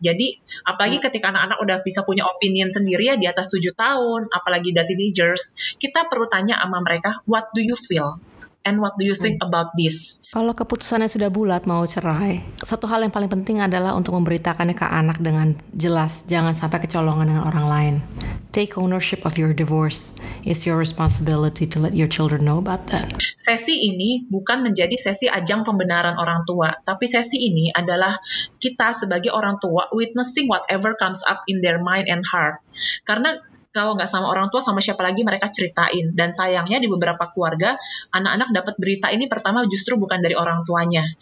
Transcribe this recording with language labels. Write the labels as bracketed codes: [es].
[id] Jadi, apalagi ketika anak-anak udah bisa punya opinion sendiri ya di atas 7 tahun, apalagi udah teenagers, kita perlu tanya sama mereka, [en] what do you feel? And what do you think about this? [id] Kalau keputusannya sudah bulat mau cerai, satu hal yang paling penting adalah untuk memberitakannya ke anak dengan jelas. Jangan sampai kecolongan dengan orang lain. [en] Take ownership of your divorce. It's your responsibility to let your children know about that. [id] Sesi ini bukan menjadi sesi ajang pembenaran orang tua, tapi sesi ini adalah kita sebagai orang tua [en] witnessing whatever comes up in their mind and heart. [id] Karena kalau nggak sama orang tua, sama siapa lagi mereka ceritain. Dan sayangnya di beberapa keluarga, anak-anak dapat berita ini pertama justru bukan dari orang tuanya.